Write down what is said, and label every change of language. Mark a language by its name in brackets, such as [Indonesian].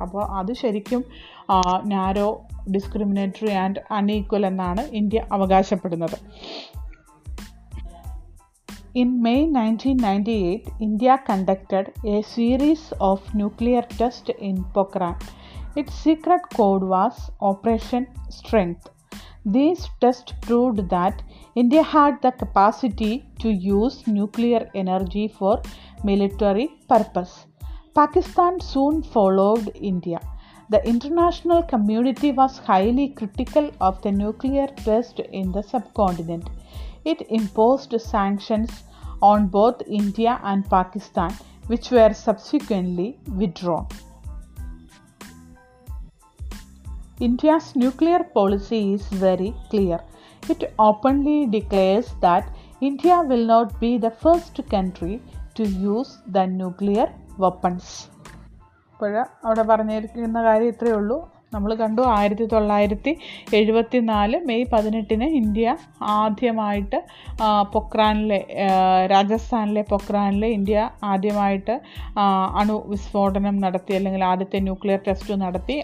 [Malayalam] അപ്പോൾ അത് ശരിക്കും [English] narrow, discriminatory and unequal [Malayalam] എന്നാണ് ഇന്ത്യ അവകാശപ്പെടുന്നത്. [English] In May 1998 India conducted a series of nuclear test in Pokhran. It secret code was operation strength. These tests proved that India had the capacity to use nuclear energy for military purpose. Pakistan soon followed India. The international community was highly critical of the nuclear test in the subcontinent. It imposed sanctions on both India and Pakistan, which were subsequently withdrawn. India's nuclear policy is very clear. It openly declares that India will not be the first country to use the nuclear weapons. [Malayalam] ഇപ്പോഴ അവിടെ പറഞ്ഞിരിക്കുന്ന കാര്യം ഇത്രയേ ഉള്ളൂ. നമ്മൾ കണ്ടു 1974 May 18 India ആദ്യമായിട്ട് പൊക്രാനിലെ, രാജസ്ഥാനിലെ പൊക്രാനിലെ India ആദ്യമായിട്ട് അണു വിസ്ഫോടനം നടത്തി അല്ലെങ്കിൽ ആദ്യത്തെ ന്യൂക്ലിയർ ടെസ്റ്റ് നടത്തി.